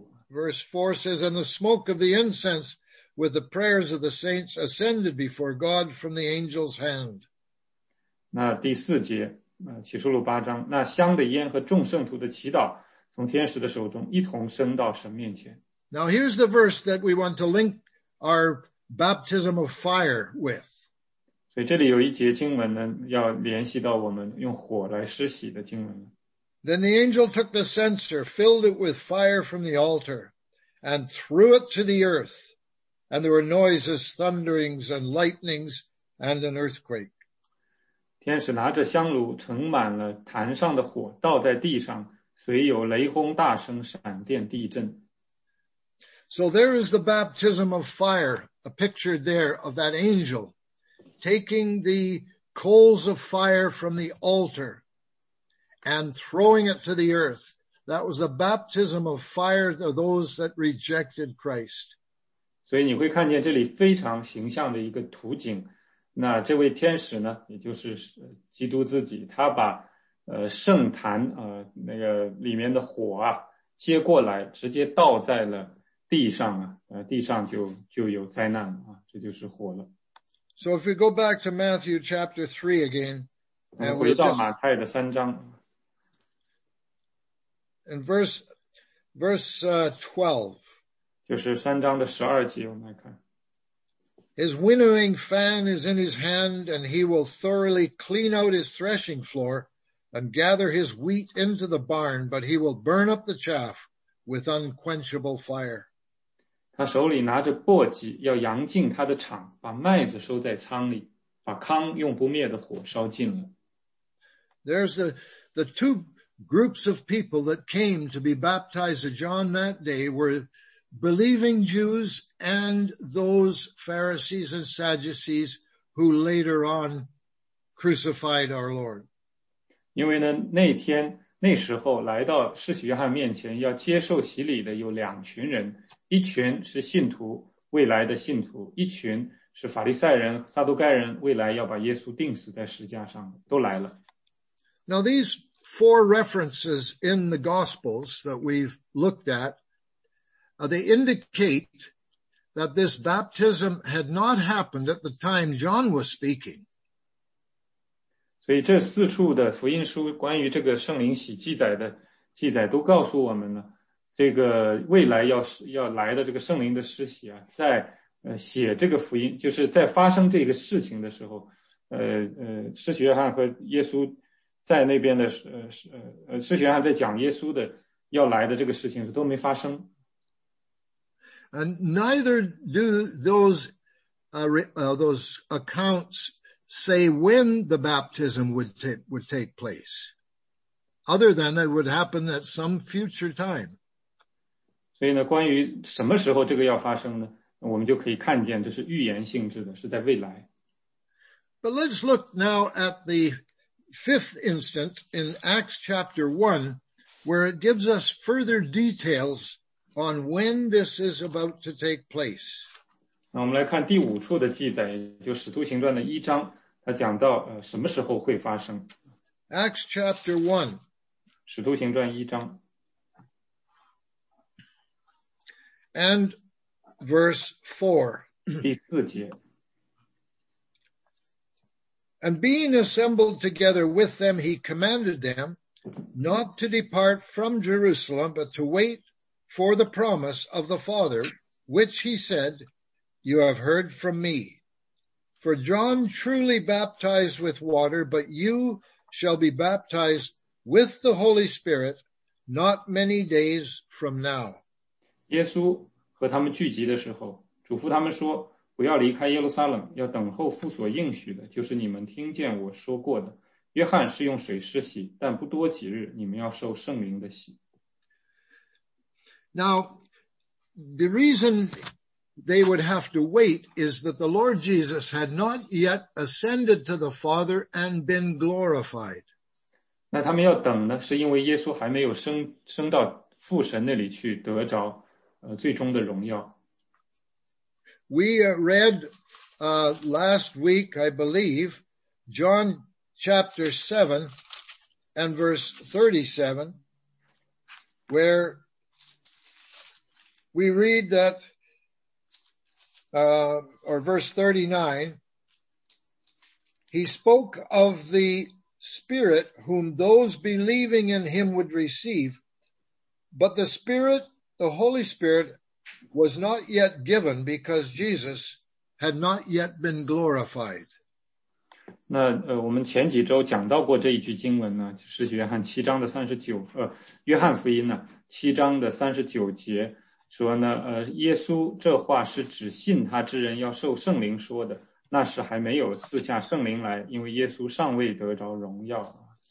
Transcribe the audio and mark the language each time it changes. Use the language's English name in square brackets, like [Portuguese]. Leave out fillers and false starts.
[English] Verse 4 says, And the smoke of the incense with the prayers of the saints ascended before God from the angel's hand. [Chinese] 那第四节，启示录八章，那香的烟和众圣徒的祈祷从天使的手中一同升到神面前。 [English] Now here's the verse that we want to link our baptism of fire with. [Chinese] 所以这里有一节经文呢，要联系到我们用火来施洗的经文。 [English] Then the angel took the censer, filled it with fire from the altar, and threw it to the earth. And there were noises, thunderings, and lightnings, and an earthquake. [Chinese] 天使拿着香炉，盛满了坛上的火，倒在地上，随有雷轰大声，闪电地震。 [English] So there is the baptism of fire, a picture there of that angel, taking the coals of fire from the altar, and throwing it to the earth. That was the baptism of fire of those that rejected Christ. [Chinese] 所以你会看见这里非常形象的一个图景。那这位天使呢，也就是基督自己，他把圣坛那个里面的火啊接过来，直接倒在了地上啊，地上就有灾难啊，这就是火了。 [English] So if we go back to Matthew chapter 3 again, [Chinese] 回到马太的三章。 [English] In verse 12, [Chinese] 就是三章的十二节，我们来看。 [English] His winnowing fan is in his hand, and he will thoroughly clean out his threshing floor and gather his wheat into the barn, but he will burn up the chaff with unquenchable fire. [Chinese] 他手里拿着簸箕，要扬尽他的场，把麦子收在仓里，把糠用不灭的火烧尽了。 [English] There's the two groups of people that came to be baptized to John that day were believing Jews and those Pharisees and Sadducees who later on crucified our Lord. [Chinese] 因为呢，那天，那时候来到施洗约翰面前要接受洗礼的有两群人，一群是信徒，未来的信徒，一群是法利赛人、撒都该人，未来要把耶稣钉死在十字架上，都来了。 [English] Now these four references in the Gospels that we've looked at, they indicate that this baptism had not happened at the time John was speaking. [Chinese] 所以这四处的福音书关于这个圣灵洗记载的记载都告诉我们呢，这个未来要来的这个圣灵的施洗啊，在写这个福音，就是在发生这个事情的时候，施洗约翰和耶稣在那边的施洗约翰在讲耶稣的要来的这个事情都没发生。 [English] And neither do those accounts say when the baptism would take place, other than that it would happen at some future time. [Chinese] 所以呢，关于什么时候这个要发生呢？我们就可以看见这是预言性质的，是在未来。 [English] But let's look now at the fifth instance in Acts chapter 1, where it gives us further details on when this is about to take place. [Chinese] 那我们来看第五处的记载，就《使徒行传》的一章，它讲到什么时候会发生。 [English] Acts chapter 1. [Chinese] 使徒行传一章。 [English] And verse 4. And being assembled together with them, he commanded them not to depart from Jerusalem, but to wait for the promise of the Father, which he said, you have heard from me. For John truly baptized with water, but you shall be baptized with the Holy Spirit not many days from now. [Chinese] 耶稣和他们聚集的时候，嘱咐他们说，不要离开耶路撒冷，要等候父所应许的，就是你们听见我说过的。约翰是用水施洗，但不多几日，你们要受圣灵的洗。 [English] Now, the reason they would have to wait is that the Lord Jesus had not yet ascended to the Father and been glorified. [Chinese] 那他们要等呢，是因为耶稣还没有升到父神那里去得着最终的荣耀。 [English] We read last week, I believe, John chapter 7 and verse 37, where we read that, or verse 39, he spoke of the Spirit whom those believing in him would receive, but the Spirit, the Holy Spirit, was not yet given because Jesus had not yet been glorified. [Chinese] 那我们前几周讲到过这一句经文呢，就是约翰七章的三十九，约翰福音呢七章的三十九节说呢，耶稣这话是指信他之人要受圣灵说的，那时还没有赐下圣灵来，因为耶稣尚未得着荣耀。